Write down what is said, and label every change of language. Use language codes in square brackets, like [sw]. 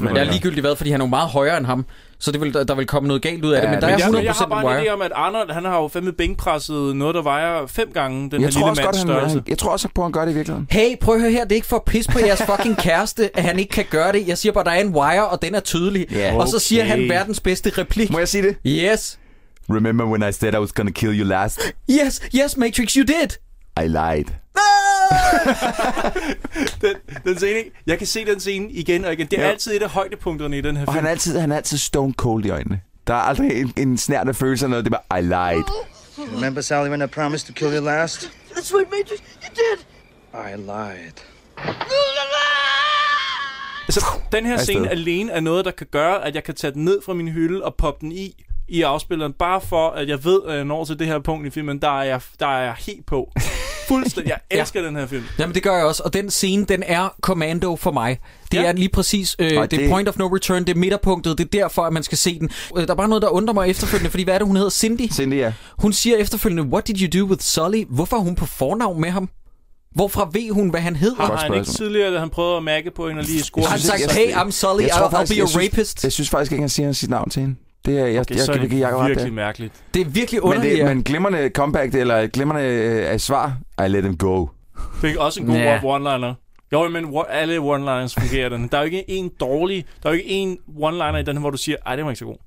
[da] Men det er ligegyldigt hvad, fordi han er meget højere end ham. Så det vil, der vil komme noget galt ud af det, men der er 100% wire. Jeg har bare en idé om, at Arnold, han har jo fandme bænkpresset noget, der vejer fem gange den her lille mands størrelse. Jeg tror også, at han gør det i virkeligheden. Hey, prøv at høre her, det er ikke for at pisse på jeres fucking kæreste, at han ikke kan gøre det. Jeg siger bare, der er en wire, og den er tydelig. [en] Yeah. [da] Og så siger han verdens bedste replik. Må jeg sige det? [en] Yes. Remember when I said I was gonna kill you last? Yes, yes, Matrix, you did. I lied. [da] den scene, jeg kan se den scene igen og igen. Det er altid et af højdepunkterne i den her film. Og han er altid stone cold i øjnene. Der er aldrig en snært af følelse af noget. Det er bare, [en] I lied. Remember, Sally, when I promised to kill you last? That's right, Matrix, you did. I lied. [da] Altså, den her scene alene er noget, der kan gøre, at jeg kan tage den ned fra min hylde og poppe den i afspilleren, bare for, at jeg ved, at jeg når til det her punkt i filmen, der er jeg helt på. Fuldstændig. Jeg elsker den her film. Jamen, det gør jeg også, og den scene, den er Commando for mig. Det er lige præcis det point of no return, det er midterpunktet, det er derfor, at man skal se den. Der er bare noget, der undrer mig efterfølgende, fordi hvad er det, hun hedder? Cindy? Cindy, ja. Hun siger efterfølgende, [en] what did you do with Sully? [da] Hvorfor er hun på fornavn med ham? Hvorfra ved hun, hvad han hedder? Har han ikke tidligere, da han prøvede at mærke på hende og lige score? Han sagde, [en] hey, I'm Sully, I'll be your rapist. [da] Jeg synes faktisk ikke, han siger sit navn til hende. Det er virkelig mærkeligt. Det er virkelig underligt. Men glimrende comeback, eller glimrende svar, [en] I let him go. [da] Fik også en god one-liner. Jo, men alle one-liners fungerer den. Der er jo ikke en dårlig, der er jo ikke en one-liner i den her, hvor du siger, ej, det var ikke så god.